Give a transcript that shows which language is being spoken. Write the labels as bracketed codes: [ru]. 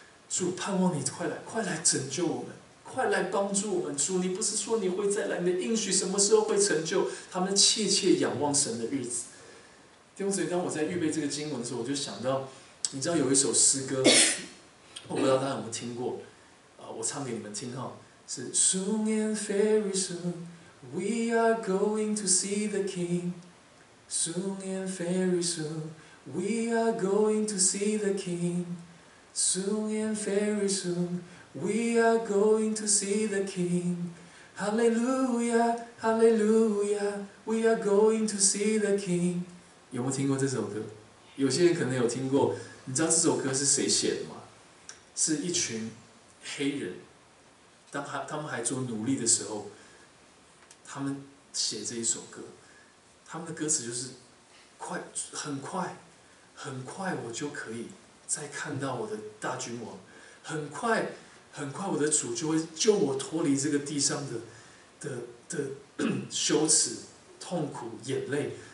[zh] 主，盼望你快来，快来拯救我们，快来帮助我们。主，你不是说你会再来？你的应许什么时候会成就？他们切切仰望神的日子。弟兄姊妹，当我在预备这个经文的时候，我就想到，你知道有一首诗歌，我不知道大家有没有听过，我唱给你们听哈。 [en] 是 Soon and very soon we are going to see the king. Soon and very soon we are going to see the king. Soon and very soon we are going to see the king. Hallelujah, hallelujah, we are going to see the king. [zh] 有没有听过这首歌？有些人可能有听过。你知道这首歌是谁写的吗？是一群黑人，当他们还做奴隶的时候，他们写这一首歌。他们的歌词就是很快我就可以再看到我的大君王，很快很快我的主就会救我脱离这个地上的羞耻、痛苦、眼泪。